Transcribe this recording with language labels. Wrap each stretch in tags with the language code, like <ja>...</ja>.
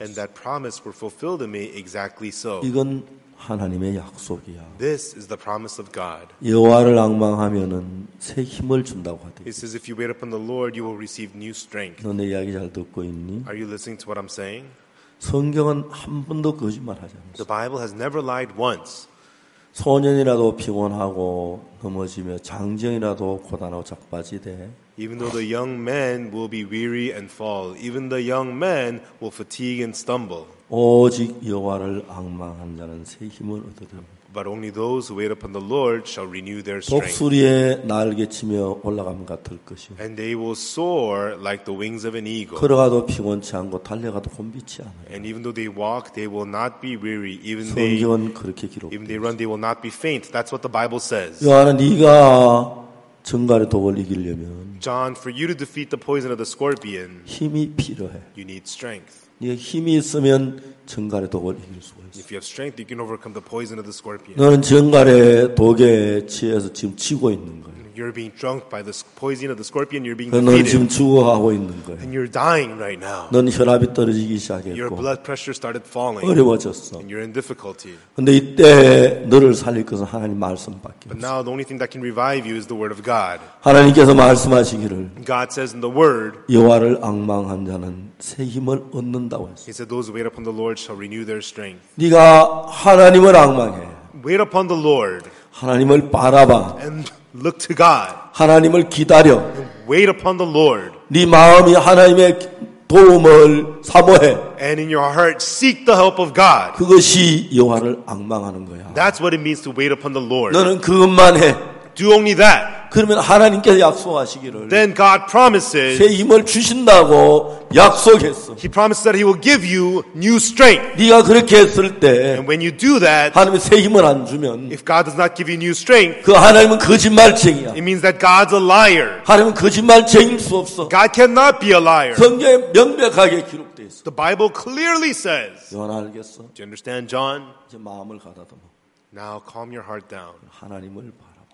<en>And that promise were fulfilled in me exactly so.</en> <ko>이건 하나님의 약속이야.</ko> <en>This is the promise of God.</en> <ko>여호와를 앙망하면은 새 힘을 준다고 하대.</ko> <en>It says if you wait upon the Lord, you will receive new strength.</en> <ko>너 내 이야기 잘 듣고 있니?</ko> <en>Are you listening to what I'm saying?</en> <ko>성경은 한 번도 거짓말하지 않았어.</ko> <en>The Bible has never lied once.</en> <ko>소년이라도 피곤하고 넘어지며 장정이라도 고단하고 작바지되</ko> <en>Even though the young man will be weary and fall, even the young man will fatigue and stumble.</en> <ko>오직 여호와를 앙망한 자는 새 힘을 얻으리라.</ko> <en>But only those who wait upon the Lord shall renew their strength.</en> <ko>독수리의 날개 치며 올라감 같을 것이요.</ko> <en>And they will soar like the wings of an eagle.</en> <ko>걸어가도 피곤치 않고 달려가도 곤비치 않아요.</ko> <en>And even though they walk, they will not be weary. Even they</en> <ko>성경은 그렇게 기록.</ko> <en>Even they run, they will not be faint. That's what the Bible says.</en> <ko>요한은 네가 전갈의 독을 이기려면</ko> <en>John, for you to defeat the poison of the scorpion,</en> <ko>힘이 필요해.</ko> <en>You need strength.</en> <ko>네가 힘이 있으면 전갈의 독을 이길 수가 있어.</ko> <en>If you have strength, you can overcome the poison of the scorpion.</en> <ko>너는 전갈의 독에 취해서 지금 치고 있는 거야.</ko> <en>You're being drunk by the poison of the scorpion. You're being</en> <ko>너는</ko> <en>defeated.</en> <ko>지금 죽어가고 있는 거야.</ko> <en>And you're dying right now.</en> <ko>넌 혈압이 떨어지기 시작했고.</ko> <en>Your blood pressure started falling.</en> <ko>어려워졌어.</ko> <en>And you're in difficulty.</en> <ko>근데 이때 너를 살릴 것은 하나님 말씀밖에.</ko> <en>But now the only thing that can revive you is the word of God.</en> <ko>하나님께서 말씀하시기를.</ko> <en>God says in the word.</en> <ko>여호와를 앙망한 자는 새 힘을 얻는다고 했어.</ko> <en>He said, "Those who wait upon the Lord shall renew their strength."</en> <ko>네가 하나님을 앙망해.</ko> <en>Wait upon the Lord.</en> <ko>하나님을 바라봐.</ko> <en>And Look to God.</en> <ko>하나님을 기다려.</ko> <en>Wait upon the Lord.</en> <ko>네 마음이 하나님의 도움을 사모해.</ko> <en>And in your heart, seek the help of God.</en> <ko>그것이 여호와를 앙망하는 거야.</ko> <en>That's what it means to wait upon the Lord.</en> <ko>너는 그것만 해.</ko> <en>Do only that.</en> <ko>그러면 하나님께서 약속하시기를</ko> <en>Then God promises</en> <ko>새 힘을 주신다고 약속했어.</ko> <en>He promises that he will give you new strength.</en> <ko>네가 그렇게 했을 때</ko> <en>And when you do that</en> <ko>하나님 새 힘을 안 주면</ko> <en>If God does not give you new strength</en> <ko>그 하나님은 거짓말쟁이야.</ko> <en>It means that God's a liar.</en> <ko>하나님은 거짓말쟁이일 수 없어.</ko> <en>God cannot be a liar.</en> <ko>성경에 명백하게 기록돼 있어.</ko> <en>The Bible clearly says.</en> <ko>요한 알겠어?</ko> <en>Do you understand, John?</en> <ko>이제 마음을 가다듬어.</ko> <en>Now calm your heart down.</en> <ko>하나님을 봐.</ko>